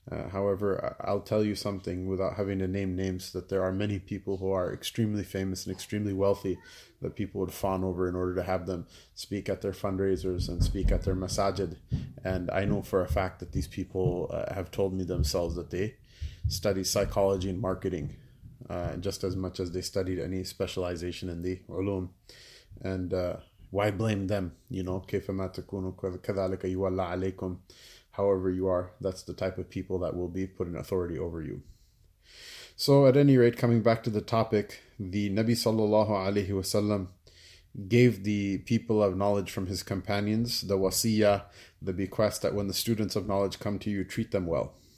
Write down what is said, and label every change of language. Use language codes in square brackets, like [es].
[en] However, I'll tell you something without having to name names, that there are many people who are extremely famous and extremely wealthy that people would fawn over in order to have them speak at their fundraisers and speak at their masajid. And I know for a fact that these people have told me themselves that they study psychology and marketing just as much as they studied any specialization in the ulum. And why blame them? [ar] You know, كيف ما تكونوا كذلك يولى عليكم. [en] However you are, that's the type of people that will be put in authority over you. So at any rate, coming back to the topic, the Nabi sallallahu alaihi wasallam gave the people of knowledge from his companions the wasiya, the bequest that when the students of knowledge come to you, treat them well.